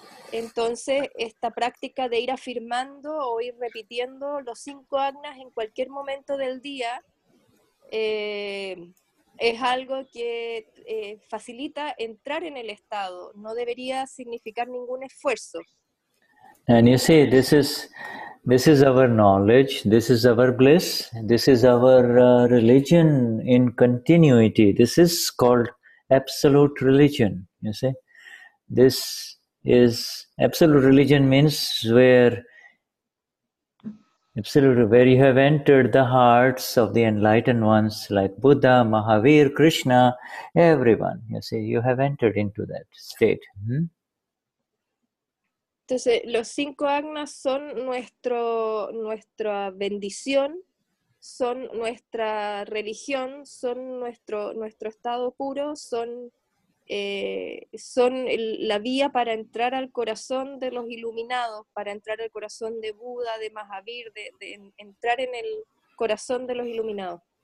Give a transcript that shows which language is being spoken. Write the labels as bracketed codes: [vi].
[es] Entonces, esta práctica de ir afirmando o ir repitiendo los cinco agnas en cualquier momento del día es algo que facilita entrar en el estado, no debería significar ningún esfuerzo. [en] And you see, this is our knowledge, this is our bliss, this is our religion in continuity. This is called absolute religion, you see. This is, absolute religion means where you have entered the hearts of the enlightened ones like Buddha, Mahavir, Krishna, everyone, you see. You have entered into that state. [es] Entonces, los cinco agnas son nuestra bendición, son nuestra religión, son nuestro estado puro, son la vía para entrar al corazón de los iluminados, para entrar al corazón de Buda, de Mahavir, de entrar en el corazón de los iluminados.